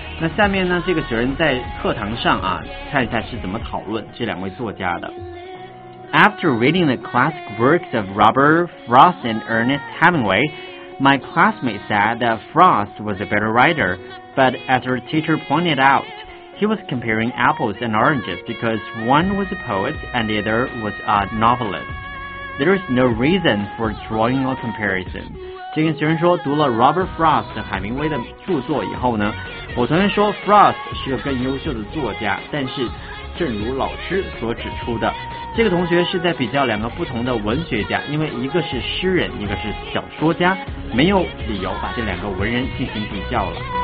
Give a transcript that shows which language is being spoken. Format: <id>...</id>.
<zh>那下面呢，这个学生在课堂上啊，看一下是怎么讨论这两位作家的。</zh> <en>After reading the classic works of Robert Frost and Ernest Hemingway, my classmate said that Frost was a better writer, but as her teacher pointed out, he was comparing apples and oranges because one was a poet and the other was a novelist. There is no reason for drawing a comparison.</en> <zh>这个学生说，读了 Robert Frost 和海明威的著作以后呢，我同学说 Frost 是个更优秀的作家，但是正如老师所指出的，这个同学是在比较两个不同的文学家，因为一个是诗人，一个是小说家，没有理由把这两个文人进行比较了。</zh>